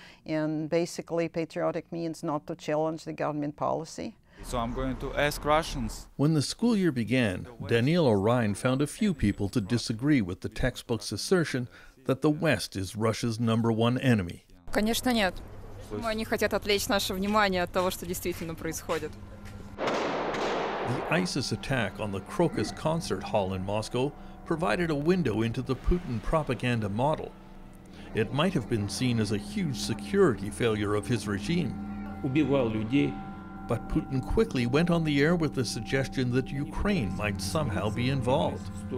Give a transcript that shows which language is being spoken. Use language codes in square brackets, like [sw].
[en] And basically, patriotic means not to challenge the government policy. So I'm going to ask Russians. When the school year began, Daniel O'Ryan found a few people to disagree with the textbook's assertion that the West is Russia's number one enemy. [ru] Конечно, нет. Они хотят отвлечь наше внимание от того, что действительно происходит. [en] The ISIS attack on the Crocus concert hall in Moscow provided a window into the Putin propaganda model. It might have been seen as a huge security failure of his regime. [ru] Убивал людей. [en] But Putin quickly went on the air with the suggestion that Ukraine might somehow be involved.